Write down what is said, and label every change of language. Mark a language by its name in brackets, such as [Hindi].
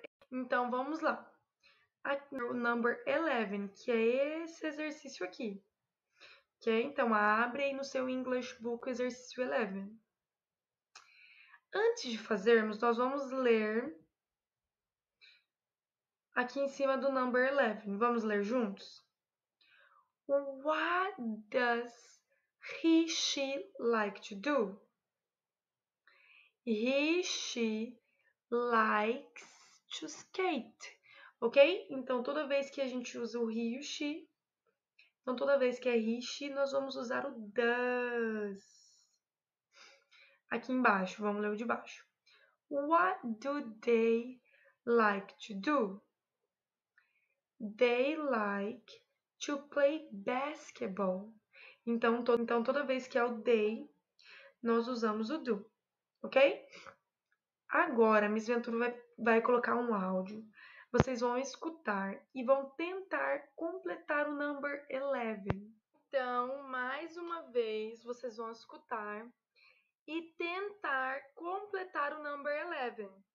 [Portuguese] Então, vamos lá. O number 11, que é esse exercício aqui. Ok? Então, abre aí no seu English Book o exercício 11. Antes de fazermos, nós vamos ler aqui em cima do number 11. Vamos ler juntos? [English] What does he, she like to do? He, she likes to skate. Ok? [Portuguese] Então, toda vez que a gente usa o he, o she, então, toda vez que é he, she, nós vamos usar o does. Aqui embaixo, vamos ler o de baixo. [English] What do they like to do? They like to play basketball. [Portuguese] Então, toda vez que é o they, nós usamos o do. Ok? Agora, Miss Ventura vai colocar um áudio. Vocês vão escutar e vão tentar completar o number 11. Então, mais uma vez, vocês vão escutar e tentar completar o number 11.